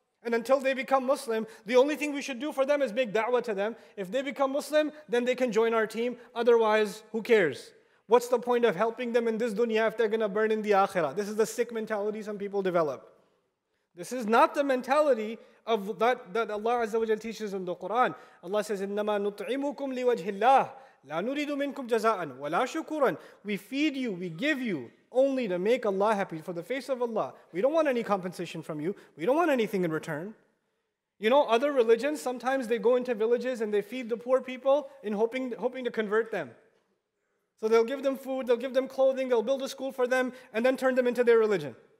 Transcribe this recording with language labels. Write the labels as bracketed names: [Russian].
[English] And until they become Muslim, the only thing we should do for them is make da'wah to them. If they become Muslim, then they can join our team. Otherwise, who cares? What's the point of helping them in this dunya if they're going to burn in the akhirah? This is the sick mentality some people develop. This is not the mentality of that Allah Azza wa Jal teaches in the Quran. Allah says, [Arabic] إِنَّمَا نُطْعِمُكُمْ لِوَجْهِ اللَّهِ لَا نُرِيدُ مِنْكُمْ جَزَاءً وَلَا شُكُورًا. [English] We feed you, we give you, only to make Allah happy, for the face of Allah. We don't want any compensation from you. We don't want anything in return. You know, other religions, sometimes they go into villages and they feed the poor people in hoping to convert them. So they'll give them food, they'll give them clothing, they'll build a school for them, and then turn them into their religion.